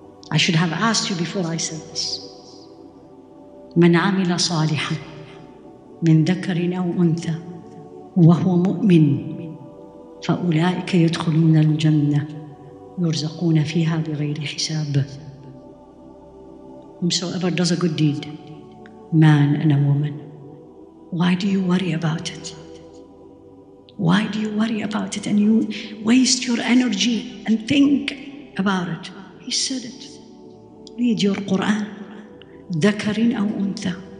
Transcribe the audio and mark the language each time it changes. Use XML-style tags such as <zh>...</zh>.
<en>I should have asked you before I said this.</en> <ar>من عمل صالحا من ذكر أو أنثى وهو مؤمن فأولئك يدخلون الجنة يرزقون فيها بغير حساب.</ar> <en>Whosoever does a good deed, man and a woman, why do you worry about it? Why do you worry about it and you waste your energy and think about it? He said it. Read your Quran.</en> <ar>ذكرين أو أنثى.</ar>